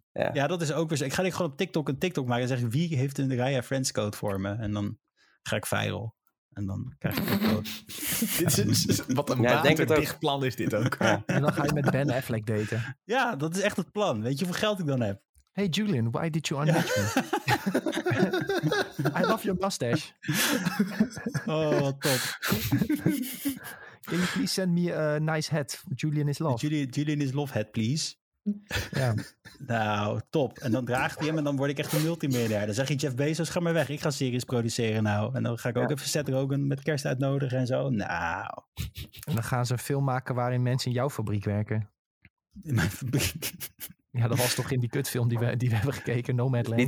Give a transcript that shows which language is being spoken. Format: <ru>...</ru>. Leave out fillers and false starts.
<nl>Ja, dat is ook weer zo. Ik ga denk gewoon op TikTok een TikTok maken en zeggen, wie heeft een Raya friendscode voor me? En dan ga ik viral. En dan krijg je dit is wat een waterdicht plan is dit ook. Ja. En dan ga je met Ben Affleck daten. Ja, dat is echt het plan. Weet je hoeveel geld ik dan heb?</nl> <en>Hey Julian, why did you unmatch me? I love your mustache.</en> <nl>Oh, wat top.</nl> <en>Can you please send me a nice hat? Julian is love. Julian is love hat, please.</en> <nl>Ja. Nou, top. En dan draagt hij hem en dan word ik echt een multimiljardair. Dan zeg je Jeff Bezos, ga maar weg. Ik ga series produceren nou. En dan ga ik ook even Seth Rogen met kerst uitnodigen en zo. Nou. En dan gaan ze een film maken waarin mensen in jouw fabriek werken. In mijn fabriek? Ja, dat was toch in die kutfilm die we hebben gekeken, Nomadland.</nl>